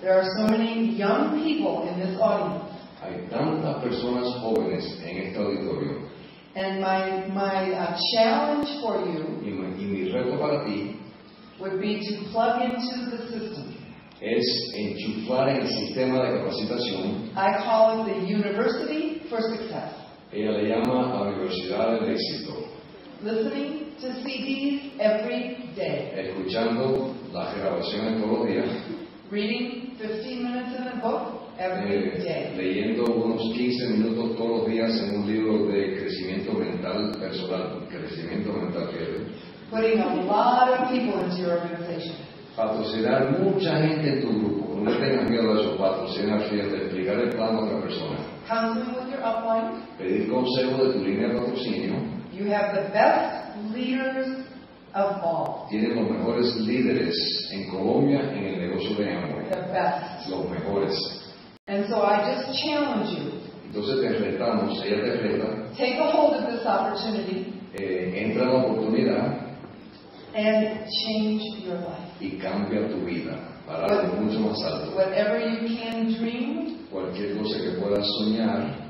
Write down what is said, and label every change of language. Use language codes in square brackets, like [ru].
[en] There are so many young people in this audience. [es] Hay tantas personas jóvenes en este auditorio. [en] And my challenge for you. [es] Y mi reto para ti. [en] Would be to plug into the system. [es] Es enchufar en el sistema de capacitación. [en] I call it the University for Success. [es] Ella le llama la Universidad del Éxito. [en] Listening to CDs every day. [es] Escuchando las grabaciones todos los días. [en] Reading 15 minutes in a book every day. [es] Leyendo unos 15 minutos todos los días en un libro de crecimiento mental personal. Crecimiento mental que es. [en] Putting a lot of people into your organization. [es] Patrocinar mucha gente en tu grupo. No tengas miedo a eso. Patrocinar, fíjate, explicar el plan a otra persona. [en] Counseling with your upline. [es] Pedir consejo de tu línea de patrocinio. [en] You have the best leaders of all. [es] Tienes los mejores líderes en Colombia en el negocio de Amway. [en] The best. [es] Los mejores. [en] And so I just challenge you. [es] Entonces te retamos. Ella te reta. [en] Take a hold of this opportunity. [es] Entra la oportunidad. [en] and change your life. [es] Y cambia tu vida para algo mucho más alto. [en] Whatever you can dream, [es] cualquier cosa que puedas soñar,